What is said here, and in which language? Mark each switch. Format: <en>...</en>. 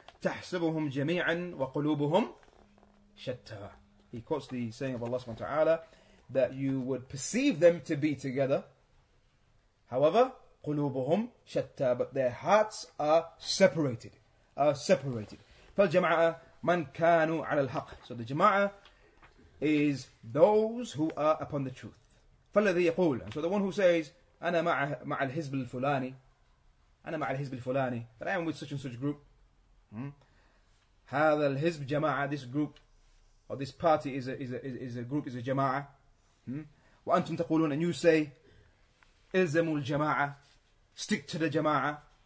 <ar>تحسبهم جميعا وقلوبهم شتى.</ar> <en>He quotes the saying of Allah subhanahu wa ta'ala that you would perceive them to be together, however</en> <ar>قلوبهم شتى,</ar> <en>but their hearts are separated.</en> <ar>فالجماعة من كانوا على الحق.</ar> <en>So the جماعة is those who are upon the truth.</en> <ar>فالذي يقول,</ar> <en>so the one who says</en> <ar>أنا مع الحزب الفلاني,</ar> <en>أنا مع الحزب الفلاني, but I am with such and such group.</en> <ar>هذا الحزب جماعة,</ar> <en>this group or this party is a group, is a جماعة.</en> <ar>وأنتم تقولون,</ar> <en>and you say</en> <ar>إلزموا الجماعة,</ar> <en>stick to the جماعة.</en>